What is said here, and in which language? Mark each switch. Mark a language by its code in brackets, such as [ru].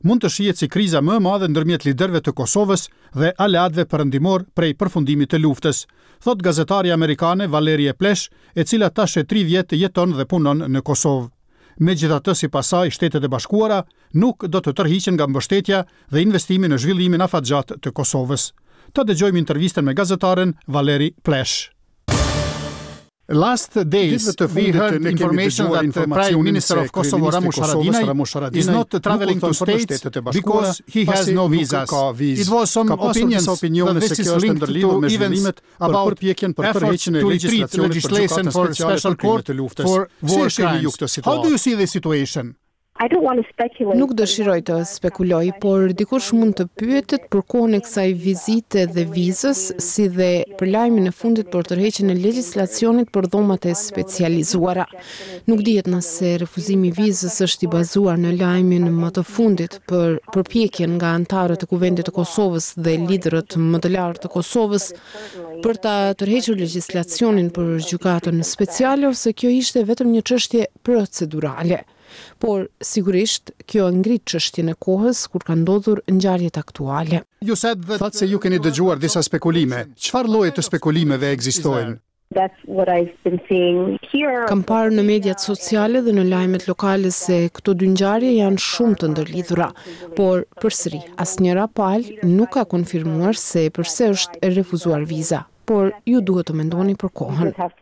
[sq] mund të shihet si kriza më e madhe ndërmjet liderëve të Kosovës dhe aleatëve perëndimor prej përfundimit të luftës, thot gazetari amerikane Valerie Plesh, e cila tash e 3 vjet jeton dhe punon në Kosovë. Megjithatë, sipas saj, Shtetet e Bashkuara nuk do të tërhiqen nga mbështetja dhe investimi në zhvillimin afatgjatë të Kosovës. Ta dëgjojmë intervistën me gazetaren Valeri Plesh. [en] Last days, we heard information that the Prime Minister of Kosovo, Ramush Haradinaj, is not traveling to states because he has no visas. It was some opinion that this is linked to events about efforts to retreat legislation for special court for war crimes. How do you see the situation? I don't want to speculate. [sq] Nuk dëshiroj të spekuloj, por dikush mund të pyetet për kohën e kësaj vizite dhe vizës, si dhe për lajmin e fundit për tërheqjen e legjislacionit për dhomat e specializuara. Nuk dihet nëse refuzimi i vizës është i bazuar në lajmin më të fundit për përpjekjen nga anëtarët e Kuvendit të Kosovës dhe liderët më të lartë të Kosovës për ta tërhequr legjislacionin për gjykatën speciale ose kjo ishte vetëm një çështje procedurale. Por sigurisht kjo ngrit çështjen e kohës kur ka ndodhur ngjarjet aktuale. [en] You said that thought [sq] se ju keni dëgjuar disa spekulime. Çfarë lloje të spekulimeve ekzistojnë? [en] That's what I've been seeing here. [sq] Kam parë në mediat sociale dhe në lajmet lokale se këto dy ngjarje janë shumë të ndërlidhura, por përsëri asnjëra palë nuk ka konfirmuar se pse është e refuzuar viza, por ju duhet të mendoni për kohën.